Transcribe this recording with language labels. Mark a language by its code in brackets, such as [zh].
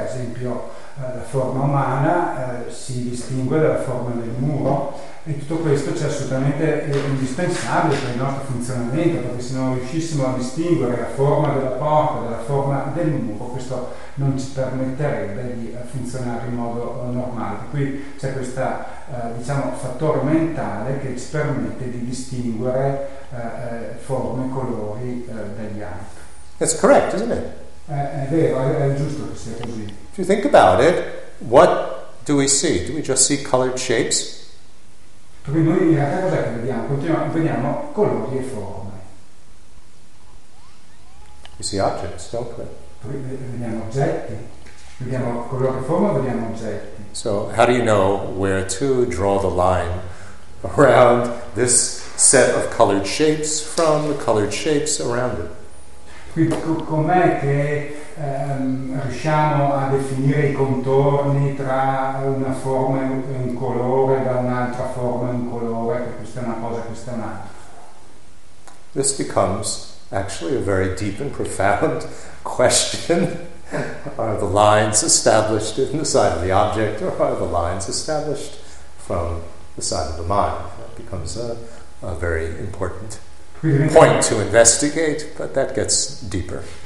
[it] Ad esempio, la forma umana si distingue dalla forma del muro, e tutto questo c'è assolutamente indispensabile per il nostro funzionamento, perché se non riuscissimo a distinguere la forma della porta dalla forma del muro, questo non ci permetterebbe di funzionare in modo normale. Qui c'è questo fattore mentale che ci permette di distinguere forme, colori dagli altri. [en] That's correct, isn't it? [it] È vero, è giusto che sia così. [en] If you think about it, what do we see? Do we just see colored shapes? [it] Perché noi in realtà cosa che vediamo? Vediamo colori e forme. [en] We see objects, don't we? [it] Vediamo oggetti. Vediamo colori e forme, vediamo oggetti. [en] So how do you know where to draw the line around this set of colored shapes from the colored shapes around it? [it] Quindi com'è che riusciamo a definire i contorni tra una forma e un colore da un'altra forma e un colore, che questa è una cosa e questa è un'altra? [en] This becomes actually a very deep and profound question. Are the lines established in the side of the object, or are the lines established from the side of the mind? That becomes a very important point to investigate, but that gets deeper.